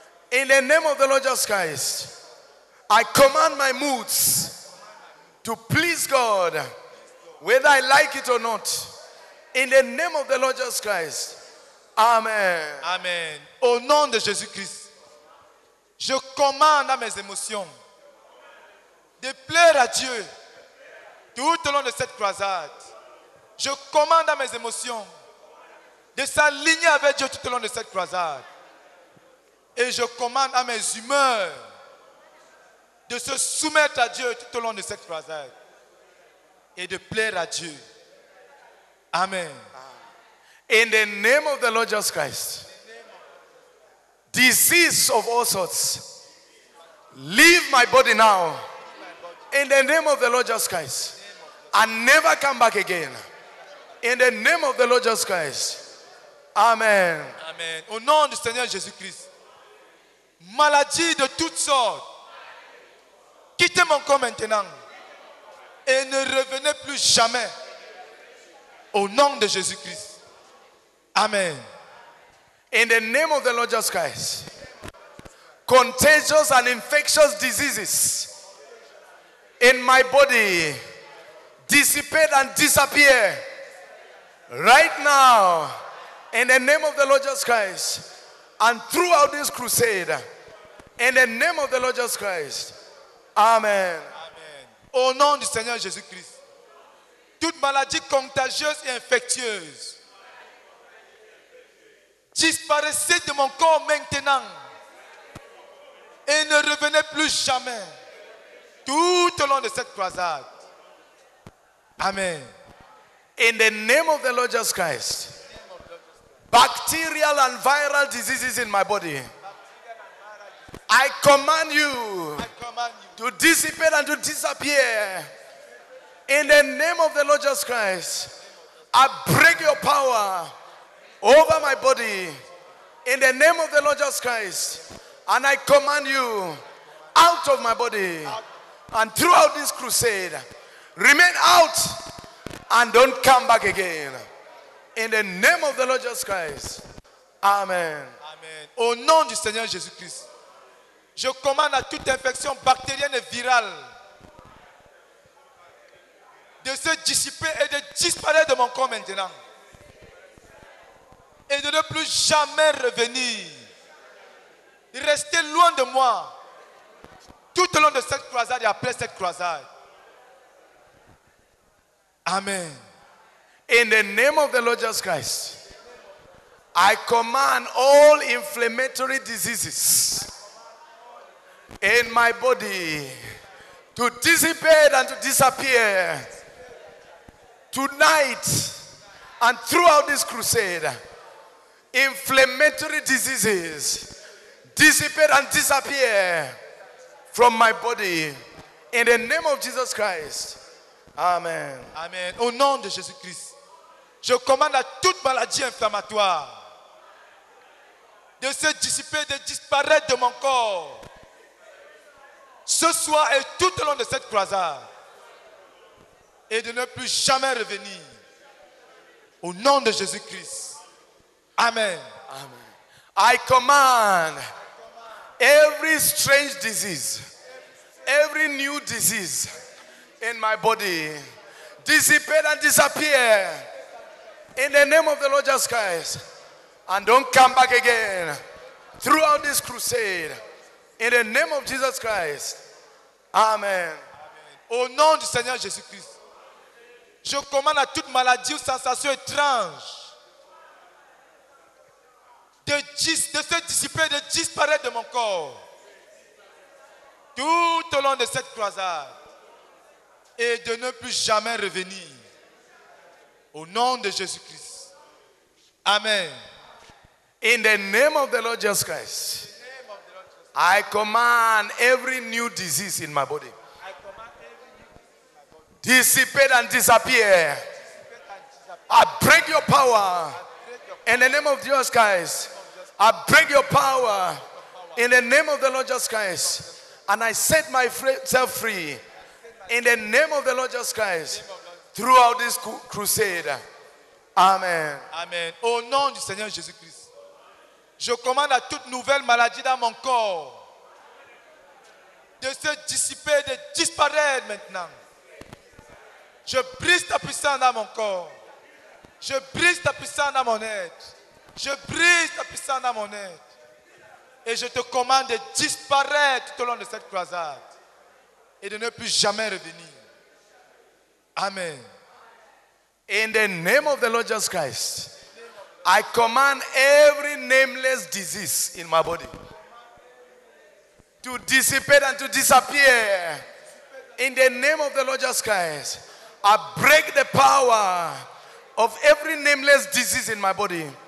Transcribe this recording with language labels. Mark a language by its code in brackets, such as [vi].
[en] In the name of the Lord Jesus Christ, I command my moods to please God, whether I like it or not. In the name of the Lord Jesus Christ. Amen. Amen. [fr] Au nom de Jésus Christ, je commande à mes émotions de plaire à Dieu tout au long de cette croisade. Je commande à mes émotions de s'aligner avec Dieu tout au long de cette croisade. Et je commande à mes humeurs de se soumettre à Dieu tout au long de cette croisade et de plaire à Dieu. Amen. [en] In the name of the Lord Jesus Christ, disease of all sorts, leave my body now. In the name of the Lord Jesus Christ, and never come back again. In the name of the Lord Jesus Christ. Amen. Amen. [fr] Au nom du Seigneur Jésus Christ, maladie de toutes sortes, quittez mon corps maintenant et ne revenez plus jamais. Au nom de Jésus-Christ. Amen. [en] In the name of the Lord Jesus Christ, contagious and infectious diseases in my body dissipate and disappear right now. In the name of the Lord Jesus Christ and throughout this crusade. In the name of the Lord Jesus Christ. Amen. Amen. [fr] Au nom du Seigneur Jésus-Christ, toute maladie contagieuse et infectieuse, disparaissez de mon corps maintenant et ne revenez plus jamais tout au long de cette croisade. Amen. [en] In the name of the Lord Jesus Christ, bacterial and viral diseases in my body. I command you to dissipate and to disappear. In the name of the Lord Jesus Christ, I break your power over my body. In the name of the Lord Jesus Christ, and I command you out of my body and throughout this crusade, remain out and don't come back again. In the name of the Lord Jesus Christ, amen. Amen. [fr] Au nom du Seigneur Jésus Christ, je commande à toute infection bactérienne et virale de se dissiper et de disparaître de mon corps maintenant. Et de ne plus jamais revenir. Restez loin de moi. Tout au long de cette croisade et après cette croisade. Amen. [en] In the name of the Lord Jesus Christ, I command all inflammatory diseases in my body to dissipate and to disappear tonight and throughout this crusade. Inflammatory diseases dissipate and disappear from my body in the name of Jesus Christ. Amen. Amen. [fr] Au nom de Jésus Christ, je commande à toute maladie inflammatoire de se dissiper, de disparaître de mon corps ce soir et tout au long de cette croisade et de ne plus jamais revenir au nom de Jésus Christ. Amen. Amen. [en] I command every strange disease, every new disease in my body, dissipate and disappear in the name of the Lord Jesus Christ. And don't come back again throughout this crusade. In the name of Jesus Christ. Amen. [fr] Au nom du Seigneur Jésus Christ, je commande à toute maladie ou sensation étrange de se dissiper, de disparaître de mon corps tout au long de cette croisade et de ne plus jamais revenir au nom de Jésus-Christ. Amen. [en] In the name of the Lord Jesus Christ, I command every new disease in my body dissipate and disappear. I break your power in the name of Jesus Christ. I break your power in the name of the Lord Jesus Christ. And I set myself free in the name of the Lord Jesus Christ throughout this crusade. Amen. Amen. [fr] Au nom du Seigneur Jésus Christ, je commande à toute nouvelle maladie dans mon corps de se dissiper, de disparaître maintenant. Je brise ta puissance dans mon corps. Je brise ta puissance dans mon être. Je brise ta puissance dans mon être. Et je te commande de disparaître tout au long de cette croisade. Et de ne plus jamais revenir. Amen. [en] In the name of the Lord Jesus Christ, I command every nameless disease in my body to dissipate and to disappear. In the name of the Lord Jesus Christ, I break the power of every nameless disease in my body.